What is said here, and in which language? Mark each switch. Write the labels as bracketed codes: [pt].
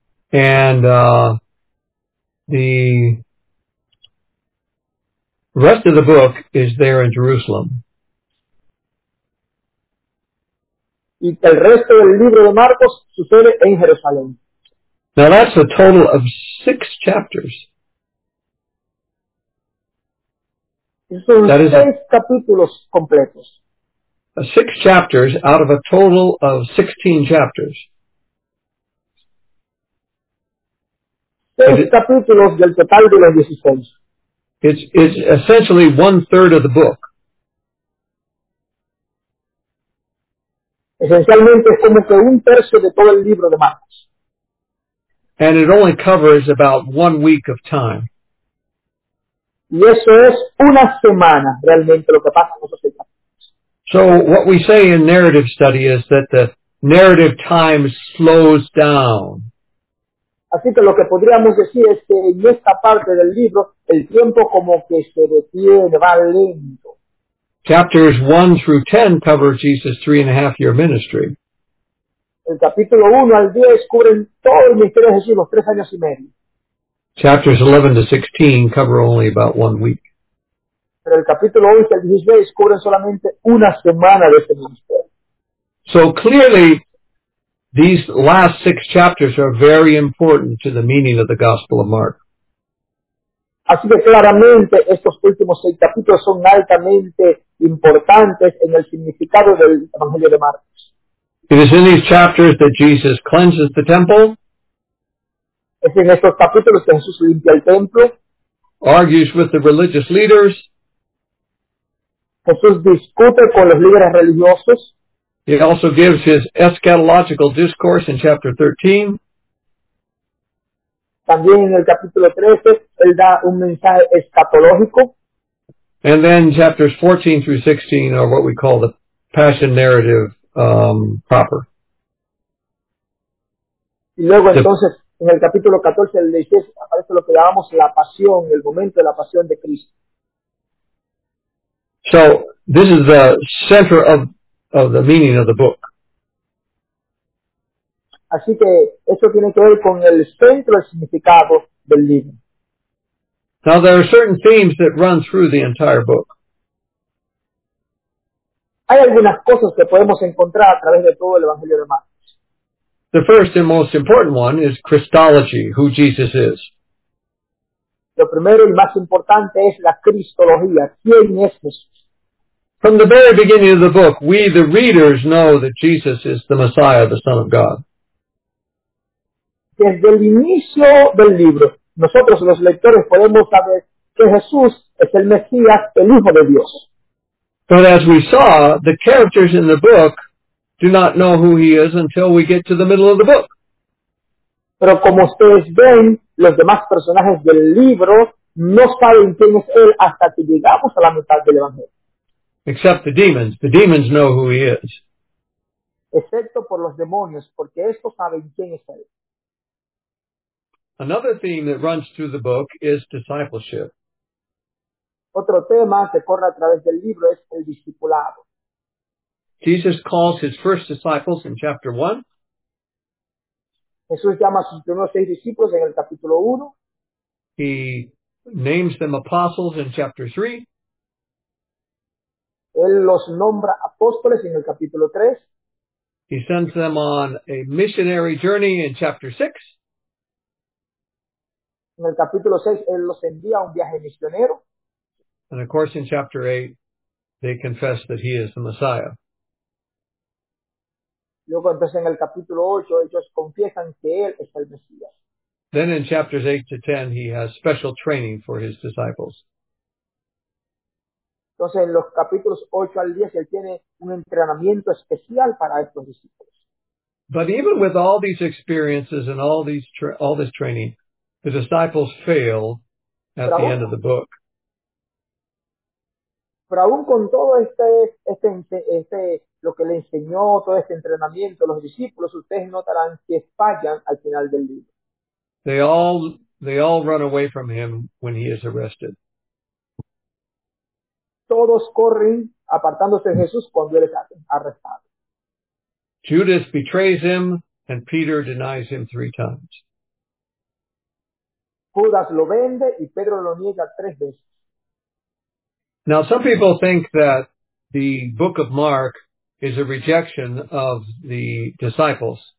[en] And the rest of the book is there in Jerusalem. [es] Y el resto del libro de Marcos sucede en Jerusalén. [en] Now that's a total of 6 chapters. That is [es] 6 capítulos completos. [en] 6 chapters out of a total of 16 chapters. [es] 6 capítulos del total de los 16. [en] It's essentially one third of the book. [es] Esencialmente es como que un tercio de todo el libro de Marcos. [en] And it only covers about 1 week of time. [es] Y eso es una semana realmente lo que pasa en esos capítulos. [en] So what we say in narrative study is that the narrative time slows down. [es] Así que lo que podríamos decir es que en esta parte del libro el tiempo como que se detiene, va lento. [en] Chapters 1 through 10 cover Jesus' 3.5-year ministry. [es] El capítulo 1 al 10 cubren todo el ministerio de Jesús, los 3 años y medio. [en] Chapters 11 to 16 cover only about 1 week. [es] Pero el capítulo 11 al 16 cubren solamente una semana de ese ministerio. [en] So clearly, these last 6 chapters are very important to the meaning of the Gospel of Mark. [es] Así que claramente estos últimos 6 capítulos son altamente importantes en el significado del Evangelio de Marcos. [en] It is in these chapters that Jesus cleanses the temple. [es] Es en estos capítulos que Jesús limpia el templo. [en] Argues with the religious leaders. [es] Jesús discute con los líderes religiosos. [en] He also gives his eschatological discourse in chapter 13. [es] También en el capítulo 13, él da un mensaje escatológico. [en] And then chapters 14 through 16 are what we call the passion narrative proper. [es] Y luego entonces, en el capítulo 14 del 16 aparece lo que llamamos la pasión, el momento de la pasión de Cristo. [en] So, this is the center of the meaning of the book. [es] Así que esto tiene que ver con el centro del significado del libro. [en] Now, there are certain themes that run through the entire book. [es] Hay algunas cosas que podemos encontrar a través de todo el Evangelio de Marcos. [en] The first and most important one is Christology, who Jesus is. [es] Lo primero y más importante es la Cristología, ¿quién es Jesús? [en] From the very beginning of the book, we the readers know that Jesus is the Messiah, the Son of God. [es] Desde el inicio del libro, nosotros los lectores podemos saber que Jesús es el Mesías, el Hijo de Dios. [en] But as we saw, the characters in the book do not know who he is until we get to the middle of the book. [es] Pero como ustedes ven, los demás personajes del libro no saben quién es él hasta que llegamos a la mitad del Evangelio. [en] Except the demons. The demons know who he is. [es] Excepto por los demonios, porque estos saben quién es él. [en] Another theme that runs through the book is discipleship. [es] Otro tema que corre a través del libro es el discipulado. [en] Jesus calls his first disciples in chapter 1. [es] Jesús llama a sus primeros seis discípulos en el capítulo 1. [en] He names them apostles in chapter 3. [es] Él los nombra apóstoles en el capítulo 3. [en] He sends them on a missionary journey in chapter 6. [es] En el capítulo 6, él los envía a un viaje misionero. [en] And of course, in chapter 8, they confess that he is the Messiah. [es] Luego, entonces, en el capítulo 8, ellos confiesan que él es el Mesías. [en] Then in chapters 8 to 10, he has special training for his disciples. [es] Entonces, en los capítulos 8 al 10, él tiene un entrenamiento especial para estos discípulos. [en] But even with all these experiences and all this training, the disciples fail at the end of the book. [es] Pero aún con todo este lo que le enseñó, todo este entrenamiento, los discípulos, ustedes notarán que fallan al final del libro. [en] They all run away from him when he is arrested. [es] Todos corren apartándose de Jesús cuando él es arrestado. [en] Judas betrays him and Peter denies him 3 times. [es] Judas lo vende y Pedro lo niega 3 veces. [en] Now, some people think that the book of Mark is a rejection of the disciples.